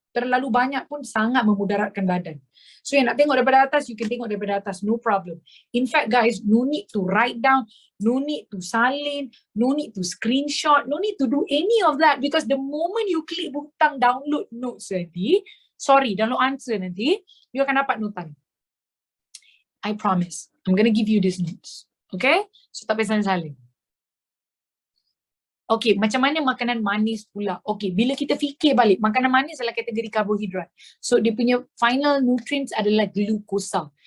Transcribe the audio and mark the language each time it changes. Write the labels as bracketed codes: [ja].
[ms] Terlalu banyak pun sangat memudaratkan badan. So, yang nak tengok daripada atas, [en] you can [ms] tengok daripada atas. [en] No problem. In fact, guys, no need to write down, no need to salin, no need to screenshot, no need to do any of that because the moment you click butang download notes nanti, sorry, download answer nanti, [ms] you akan dapat notan. [en] I promise. I'm going to give you these notes. Okay? So [ms] tak payah saling. Okey, macam mana makanan manis pula? Okey, bila kita fikir balik, makanan manis adalah kategori karbohidrat. So, dia punya final nutrients adalah glukosa.